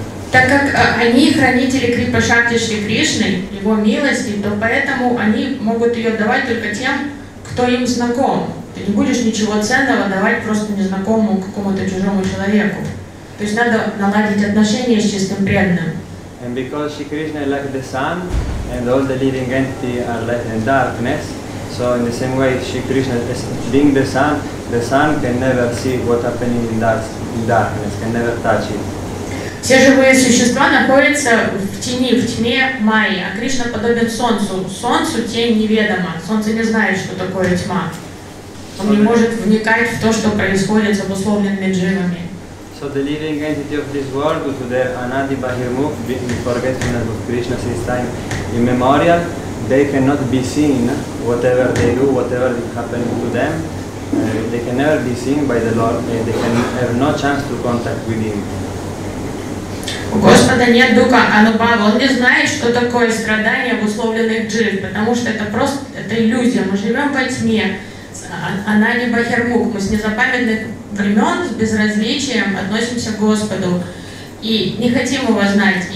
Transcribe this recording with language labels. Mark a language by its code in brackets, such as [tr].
[ru] Так как они хранители Крипа Шакти Шри Кришны, Его милости, то поэтому они могут ее давать только тем, кто им знаком. Ты не будешь ничего ценного давать просто незнакомому какому-то чужому человеку. То есть надо наладить отношения с чистым преданным. [en] And because Shri Krishna is like the sun, and all the living entities are light and darkness, so in the same way Shri Krishna being the sun can never see what happening in darkness, can never touch it. [ru] Все живые существа находятся в тьме Майи, а Кришна подобен Солнцу. Солнцу тень неведома. Солнце не знает, что такое тьма. Он не может вникать в то, что происходит с обусловленными дживами. [en] So the living entity of this world, with their anadi bahirmukh, being forgetfulness of Krishna since time immemorial, they cannot be seen, whatever they do, whatever is happening to them, they can never be seen by the Lord, they can have no chance to contact with Him. [ru] У Господа нет духа анубава, Он не знает, что такое страдание обусловленных джив, потому что это просто, это иллюзия, мы живем во тьме, анади бахирмукх, мы с незапамятных времен с безразличием относимся к Господу и не хотим Его знать.